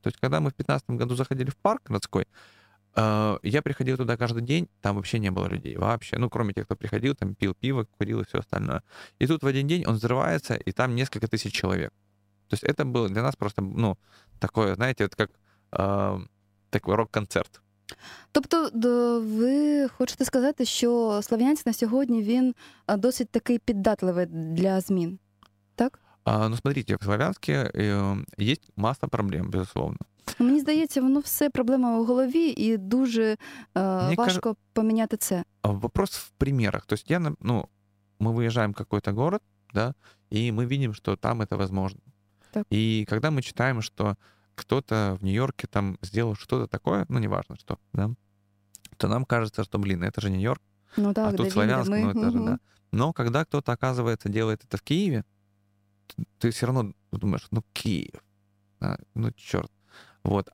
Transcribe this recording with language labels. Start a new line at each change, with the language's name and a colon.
Russian: То есть когда мы в 15 году заходили в парк городской, я приходил туда каждый день, там вообще не было людей вообще. Ну, кроме тех, кто приходил, там пил пиво, курил и все остальное. И тут в один день он взрывается, и там несколько тысяч человек. То есть это было для нас просто, ну, такое, знаете, это как такой рок-концерт.
Ukrainian: Тобто, ви хочете сказати, що Слов'янськ на сьогодні, він досить такий піддатливий для змін, так? Ну, смотрите, в Слов'янську є маса проблем, безусловно. Мені здається, воно все проблема у голові, і дуже важко поміняти це.
Russian: Вопрос в примерах.
Ukrainian: Тобто, я, ну, ми виїжджаємо в якийсь город, да, і ми бачимо, що там це можливо. Так. І коли ми читаємо, що...
Russian: кто-то в Нью-Йорке там сделал что-то такое, ну, неважно что, да, то нам кажется, что, блин, это же Нью-Йорк, ну, да, а тут Славянск, ну, это же, да. Но когда кто-то, оказывается, делает это в Киеве, ты все равно думаешь, ну, Киев, да, ну, черт. Вот.